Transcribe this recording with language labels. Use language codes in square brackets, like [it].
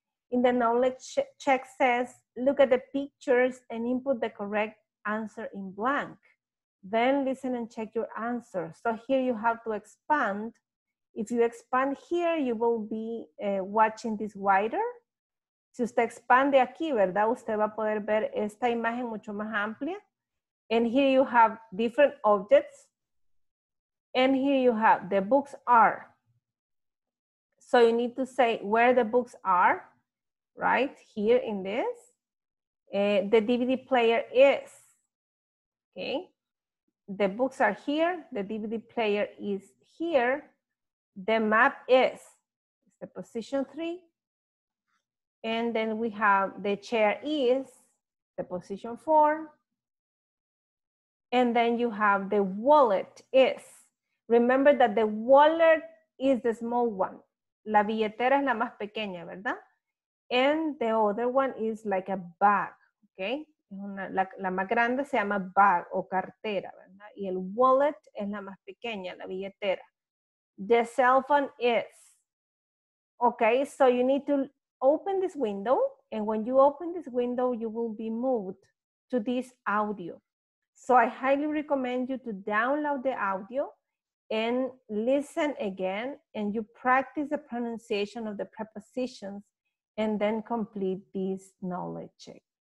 [en] In the knowledge check says, look at the pictures and input the correct answer in blank. Then listen and check your answer. So here you have to expand. If you expand here, you will be watching this wider. [es] Si usted expande aquí, ¿verdad? Usted va a poder ver esta imagen mucho más amplia. [en] And here you have different objects. And here you have the books are. So you need to say where the books are, right? Here in this. The DVD player is. Okay. The books are here. The DVD player is here. The map is. It's the position three. And then we have the chair is the position four. And then you have the wallet is. Remember that the wallet is the small one. [es] La billetera es la más pequeña, ¿verdad? [en] And the other one is like a bag, okay? [es] La más grande se llama bag o cartera, ¿verdad? Y el wallet es la más pequeña, la billetera. [en] The cell phone is. Okay, so you need to open this window, and when you open this window, you will be moved to this audio. So I highly recommend you to download the audio and listen again, and you practice the pronunciation of the prepositions and then complete this knowledge check.